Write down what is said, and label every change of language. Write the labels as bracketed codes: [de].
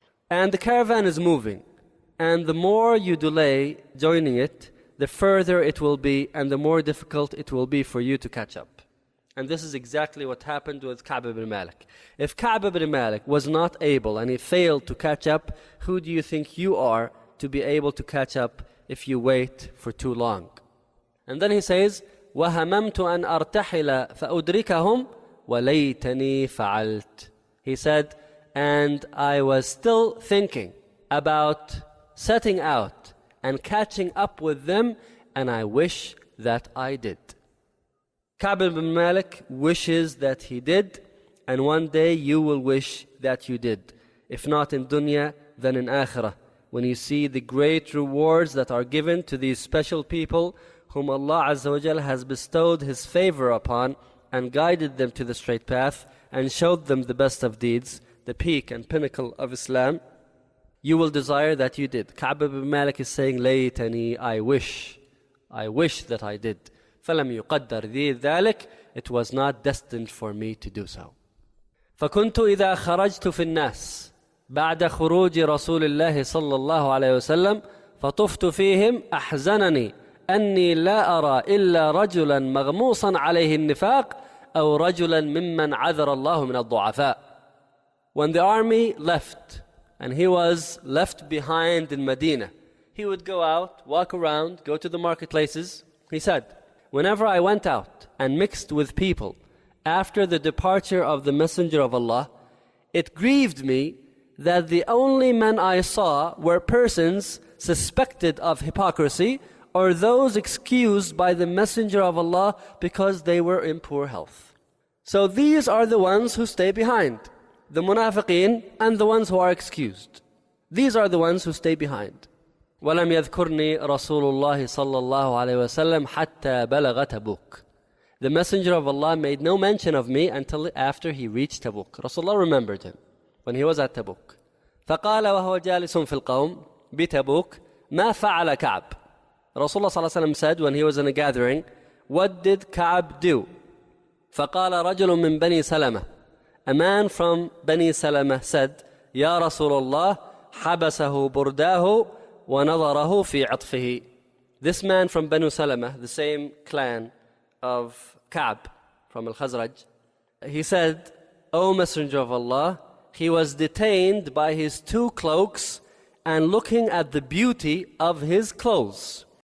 [en] And the caravan is moving. And the more you delay joining it, the further it will be, and the more difficult it will be for you to catch up. And this is exactly what happened with Ka'b ibn Malik. If Ka'b ibn Malik was not able and he failed to catch up, who do you think you are to be able to catch up if you wait for too long? [ar] And then he says, وَهَمَمْتُ أَنْ أَرْتَحِلَ فَأُدْرِكَهُمْ وَلَيْتَنِي فَعَلْتْ. [en] He said, and I was still thinking about setting out and catching up with them, and I wish that I did. Ka'b ibn Malik wishes that he did, and one day you will wish that you did. If not in dunya, then in akhirah, when you see the great rewards that are given to these special people whom Allah Azza wa Jal has bestowed His favor upon and guided them to the straight path and showed them the best of deeds, the peak and pinnacle of Islam, you will desire that you did. Ka'b ibn Malik is saying, laytani, I wish that I did. [ar] فَلَمْ يُقَدَّرْ ذِي ذَلِكَ. [en] it was not destined for me to do so. [ar] فكنت إذا خرجت في الناس بعد خروج رسول الله صلى الله عليه وسلم فطفت فيهم أحزنني أني لا أرى إلا رجلا مغموصا عليه النفاق أو رجلا ممن عذر الله من الضعفاء. [en] When the army left and he was left behind in Medina, he would go out, walk around, go to the marketplaces. He said, whenever I went out and mixed with people after the departure of the Messenger of Allah, it grieved me that the only men I saw were persons suspected of hypocrisy or those excused by the Messenger of Allah because they were in poor health. So these are the ones who stay behind, the munafiqeen and the ones who are excused. These are the ones who stay behind. [ar] وَلَمْ يَذْكُرْنِي رَسُولُ اللَّهِ صَلَّى اللَّهُ عَلَيْهِ وَسَلَّمْ حَتَّى بَلَغَ تَبُوكَ. [en] The Messenger of Allah made no mention of me until after he reached Tabuk. Rasulullah remembered him when he was at Tabuk. [ar] فَقَالَ وَهُوَ جَالِسٌ فِي الْقَوْمِ بِتَبُوكَ مَا فَعَلَ كَعْبِ. [en] Rasulullah [ar] صلى الله عليه وسلم [en] said when he was in a gathering, what did Ka'b do? [ar] فَقَالَ رَجُلٌ مِّن بَنِي سَلَمَةٍ. [en] A man from Bani Salamah said, [ar] يَا رَسُولُ اللَّهِ حَبَسَهُ بُرْدَاهُ وَنَظَرَهُ فِي عَطْفِهِ. [en] This man from Banu Salamah, the same clan of Ka'b from Al-Khazraj, he said, O Messenger of Allah, he was detained by his two cloaks and looking at the beauty of his clothes.